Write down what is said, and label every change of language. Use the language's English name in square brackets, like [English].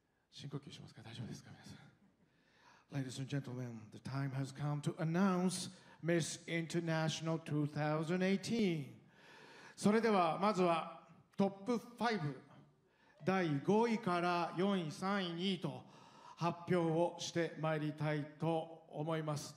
[Japanese] 深呼吸しますか、大丈夫ですか皆さん。 [English] Ladies and gentlemen, the time has come to announce Miss International 2018. [Japanese] それではまずはトップ5、第5位から4位、3位、2位と発表をしてまいりたいと思います。